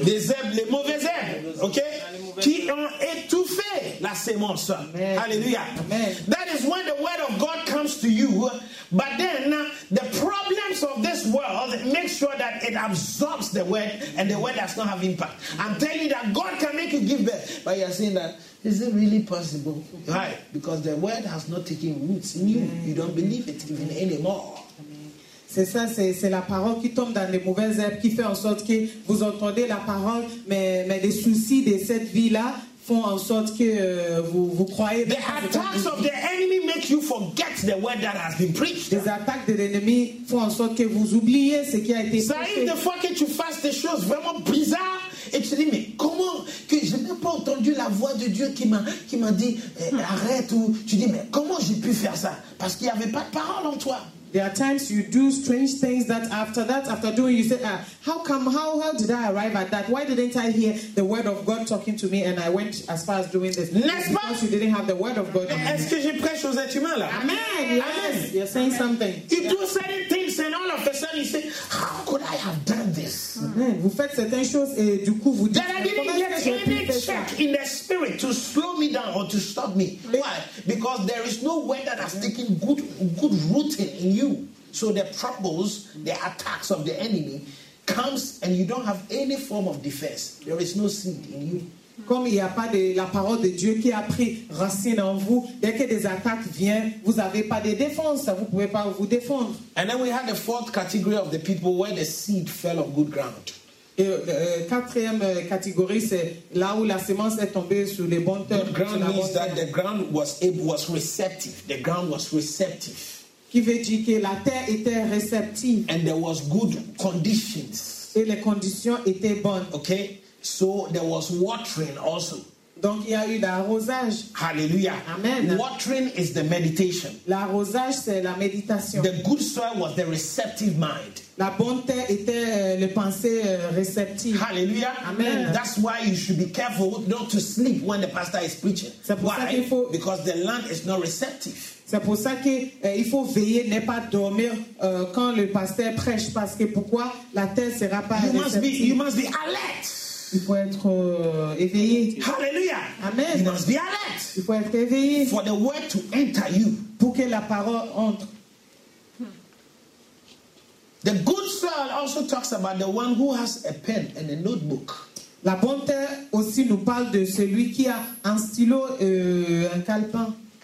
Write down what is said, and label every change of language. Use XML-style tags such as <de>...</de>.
<fr>herbes, les mauvaises herbes, ok, qui ont étouffé la semence. Alléluia.</fr> <en>That is when the word of God comes to you, but then the problems of this world make sure that it absorbs the word, and the word does not have impact. I'm telling you that God can make you give birth, but you are saying that, is it really possible? Right, because the word has not taken roots in you. You don't believe it even anymore.</en> <fr>C'est ça, c'est la parole qui tombe dans les mauvaises herbes, qui fait en sorte que vous entendez la parole, mais les soucis de cette vie-là font en sorte que vous croyez.</fr> <en>The attacks of the enemy make you forget the word that has been preached.</en> <fr>Les attaques de l'ennemi font en sorte que vous oubliez ce qui a été prêché. Ça arrive des fois que tu fasses des choses vraiment bizarres et tu te dis, mais comment que je n'ai pas entendu la voix de Dieu qui m'a dit arrête, ou tu dis, mais comment j'ai pu faire ça? Parce qu'il n'y avait pas de parole en toi.</fr> <en>There are times you do strange things that after doing, you say, how did I arrive at that? Why didn't I hear the word of God talking to me and I went as far as doing this?</en> <fr>N'est-ce</fr> <en>because</en> <fr>pas?</fr> <en>You didn't have the word of God.</en> <fr>Est-ce que je prêche aux êtres humains là?</fr> <en>Amen. Yes. Amen. You're saying something. You do certain things and all of a sudden you say, how could I have done this? Amen.</en> <fr>Vous faites certaines choses et du coup vous dites.</fr> <en>That I didn't get any check in the spirit to slow me down or to stop me. Mm-hmm. Why? Because there is no way that has taken good rooting in you. So the troubles, the attacks of the enemy comes and you don't have any form of defense. There is no seed in you.</en> <fr>Comme il n'y a pas de la parole de Dieu qui a pris racine en vous, dès que des attaques viennent, vous n'avez pas de défense, vous ne pouvez pas vous défendre.</fr> <en>And then we had a fourth category of the people where the seed fell on good ground.</en> <fr>Et quatrième catégorie, c'est là où la semence est tombée sur les bonnes terres.</fr> <en>Good ground means that the ground was able, was receptive. The ground was receptive.</en> <fr>Qui veut dire que la terre était réceptive.</fr> <en>And there was good conditions.</en> <fr>Et les conditions étaient bonnes.</fr> <en>Okay. So there was watering also.</en> <fr>Donc il y a eu l'arrosage.</fr> <en>Hallelujah. Amen. Watering is the meditation.</en> <fr>L'arrosage c'est la méditation.</fr> <en>The good soil was the receptive mind.</en> <fr>La bonne terre était les pensées réceptives.</fr> <en>Hallelujah. Amen. That's why you should be careful not to sleep when the pastor is preaching.</en> <fr>C'est pour</fr> <en>why?</en> <fr>Ça qu'il faut...</fr> <en>Because the land is not receptive.</en> <fr>C'est pour ça que il faut veiller ne pas dormir quand le pasteur prêche parce que pourquoi la terre sera pas</fr> <en>you</en> <fr>réceptive.</fr> <en>You must be alert.</en> <fr>Il faut être éveillé.</fr> <en>Hallelujah. Amen. You must be alert.</en> <fr>Il faut être éveillé.</fr> <en>For the word to enter you.</en> <fr>Pour que la parole entre.</fr> <en>The good soil also talks about the one who has a pen and a notebook.</en> <fr>La bonne terre aussi nous parle de celui qui a un stylo et un calepin.</fr>